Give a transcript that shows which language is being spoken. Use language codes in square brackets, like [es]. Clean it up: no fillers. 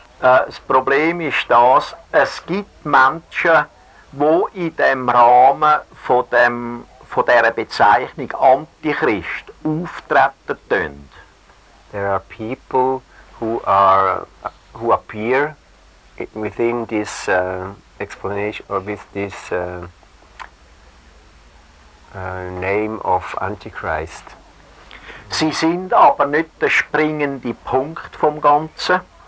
[de] Das Problem ist das, es gibt Menschen, wo in dem Rahmen von dieser Bezeichnung Antichrist auftreten tun. [en] There are people who appear within this explanation or with this name of Antichrist. [de] Sie sind aber nicht der springende Punkt vom Ganzen.